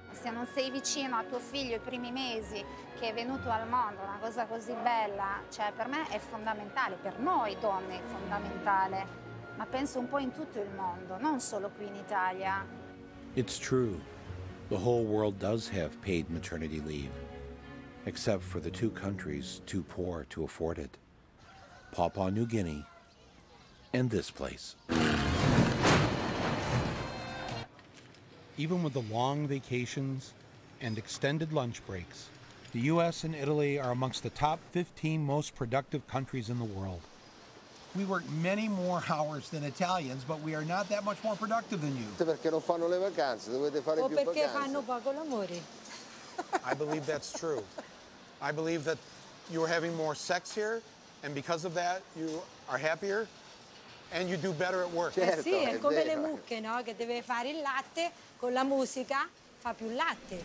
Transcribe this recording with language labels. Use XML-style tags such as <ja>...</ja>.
<it>Se non sei vicino a tuo figlio i primi mesi che è venuto al mondo, una cosa così bella, cioè per me è fondamentale, per noi donne è fondamentale, ma penso un po' in tutto il mondo, non solo qui in Italia.</it> <en>It's true. The whole world does have paid maternity leave, except for the two countries too poor to afford it. Papua New Guinea and this place. Even with the long vacations and extended lunch breaks, the U.S. and Italy are amongst the top 15 most productive countries in the world. We work many more hours than Italians, but we are not that much more productive than you.</en> <it>Perché non fanno le vacanze, dovete fare più vacanze. O perché fanno poco l'amore.</it> <en>I believe that's true. I believe that you're having more sex here, and because of that, you are happier, and you do better at work.</en> <it>Certo, sì, è come vero. Le mucche, no? Che deve fare il latte, con la musica fa più latte.</it>